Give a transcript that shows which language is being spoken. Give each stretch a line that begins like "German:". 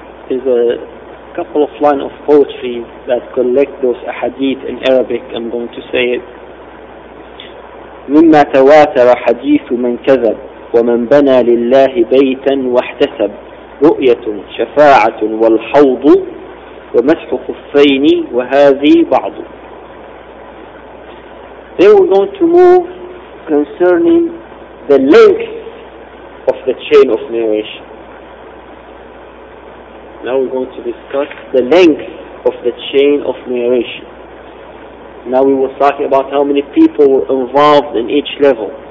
English: There's a couple of lines of poetry that collect those ahadith in Arabic. I'm going to say it.
Arabic: مِمَّا تَوَاتَرَ حَدِيثُ مَنْ كَذَبْ ومن بنى لله بيتا واحتسب رؤية شفاعة والحوض ومسح خفين وهذه بعض.
English: They were going to move concerning the length of the chain of narration. Now we're going to discuss the length of the chain of narration. Now we were talking about how many people were involved in each level.